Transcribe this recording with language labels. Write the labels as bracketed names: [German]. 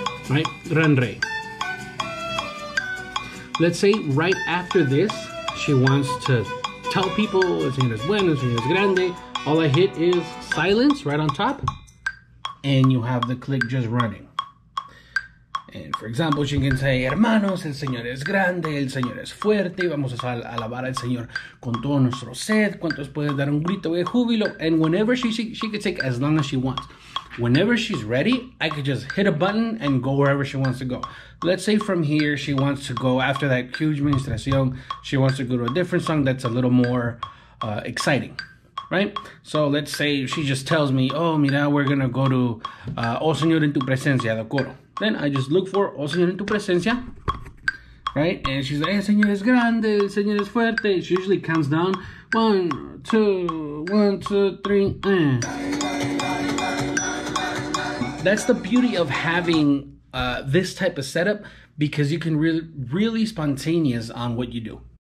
[English] Right? [Spanish] Gran Rey. [English] Let's say right after this, she wants to tell people, [Spanish] Señor es bueno, Señor es grande. [English] All I hit is silence right on top, and you have the click just running. And for example, she can say, [Spanish] hermanos, el Señor es grande, el Señor es fuerte, y vamos a alabar al Señor con todo nuestro sed. ¿Cuántos puedes dar un grito de júbilo? [English] And whenever she could take as long as she wants. Whenever she's ready, I could just hit a button and go wherever she wants to go. Let's say from here, she wants to go after that huge ministración, she wants to go to a different song that's a little more exciting. Right? So let's say she just tells me, [Spanish] oh, mira, [English] we're going to go to O Señor en tu presencia, the coro. Then I just look for O Señor en tu presencia. Right? And she's like, [Spanish] el Señor es grande, el Señor es fuerte. [English] She usually counts down. One, two, three. That's the beauty of having this type of setup, because you can really, really spontaneous on what you do.